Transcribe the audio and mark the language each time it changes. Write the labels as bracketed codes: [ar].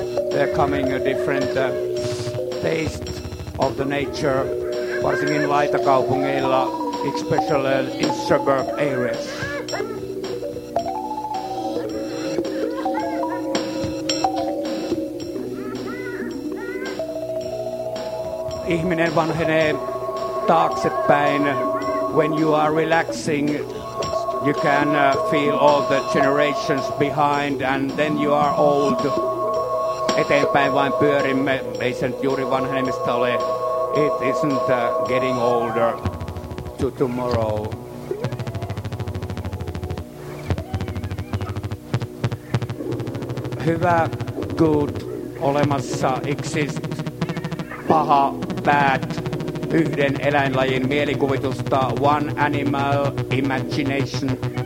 [en] They're coming a different taste of the nature, [fi] varsinkin laita kaupungeilla, [en] especially in suburb areas. [fi] Ihminen vanhenee taaksepäin. [en] When you are relaxing, you can feel all the generations behind, and then you are old. [fi] Eteenpäin vain pyörimme, ei se nyt juuri vanhemmista ole. [en] It isn't getting older to tomorrow. [fi] Hyvä, good, olemassa, exist, paha, bad, yhden eläinlajin mielikuvitusta, [en] one animal imagination.